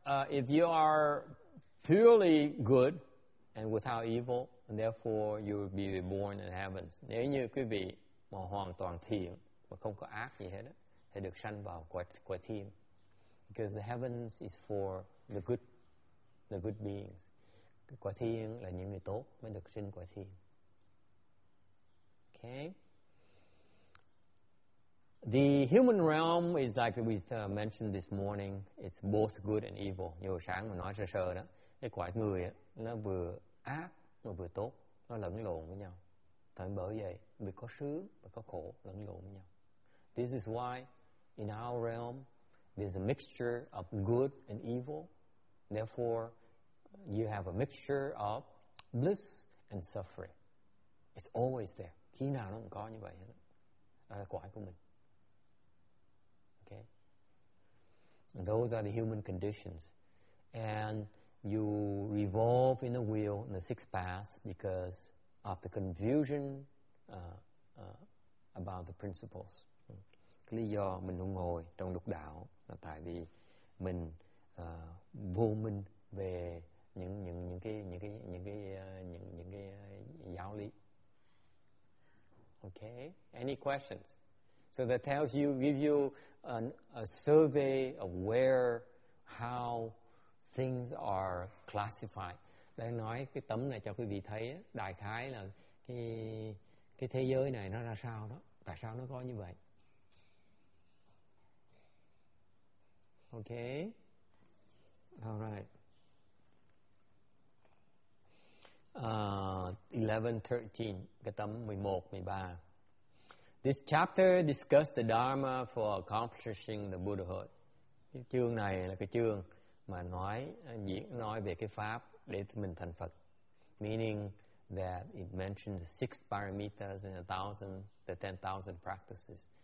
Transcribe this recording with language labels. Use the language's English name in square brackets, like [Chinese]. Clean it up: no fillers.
[English] If you are purely good and without evil, and therefore you will be reborn in heavens. [Vietnamese] Nếu như quý vị mà hoàn toàn thiện và không có ác gì hết, thì được sanh vào quả thiên. [English] Because the heavens is for the good beings. [Vietnamese] Quả thiên là những người tốt mới được sinh quả thiên. [English] Okay. The human realm is like we mentioned this morning. It's both good and evil. [Vietnamese] Như sáng mình nói sơ sơ đó, cái quả người ấy, nó vừa ác mà vừa tốt, nó lẫn lộn với nhau. Tại bởi vậy, vì có sướng và có khổ lẫn lộn với nhau. [English] This is why in our realm there's a mixture of good and evil. Therefore, you have a mixture of bliss and suffering. It's always there. [Vietnamese] Khi nào nó cũng có như vậy. Đó là quả của mình. [English] Those are the human conditions. And you revolve in the wheel in the six paths because of the confusion about the principles. [Vietnamese] Cái lý do mình không ngồi trong lục đạo là tại vì mình vô minh về những cái giáo lý. [English] Okay, any questions? So that tells you, give you a survey of where, how things are classified. [Vietnamese] Đang nói cái tấm này cho quý vị thấy đại khái là cái thế giới này nó ra sao đó, tại sao nó có như vậy. [English] Okay. All right. [Vietnamese] 11:13, cái tấm 11:13. [English] This chapter discusses the dharma for accomplishing the Buddhahood. [Vietnamese] Cái chương này là cái chương mà nói về cái pháp để mình thành Phật. [English] Meaning that it mentions the six paramitas and the 10,000 practices.